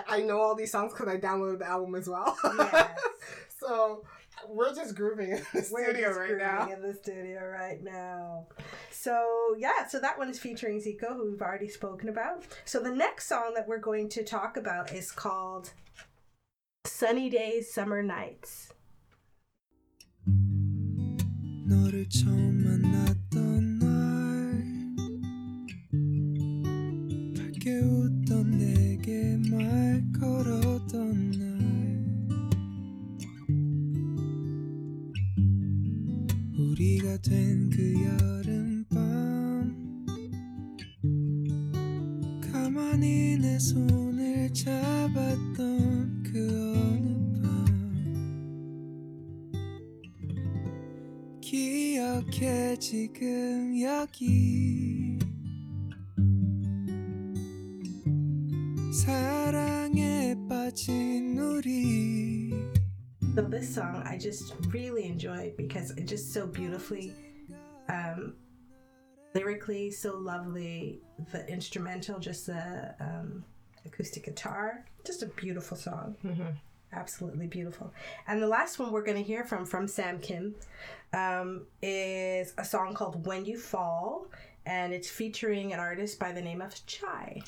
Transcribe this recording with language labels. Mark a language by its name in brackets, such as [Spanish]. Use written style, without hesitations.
[English] I know all these songs because I downloaded the album as well. Yes. So we're just grooving in the studio right now. So yeah, so that one is featuring Zico, who we've already spoken about. So the next song that we're going to talk about is called Sunny Days, Summer Nights. [Korean] 너를 처음 만났던 날 밝게 웃던 내게 말 걸었던 날 우리가 된 그 여름밤 가만히 내 손을 잡았던 그 어느 기억해 지금 여기 사랑에 빠진 우리. [English] So this song I just really enjoy because it's just so beautifully lyrically so lovely, the instrumental, just the acoustic guitar, just a beautiful song. Absolutely beautiful. And the last one we're going to hear from Sam Kim is a song called When You Fall, and it's featuring an artist by the name of Chai.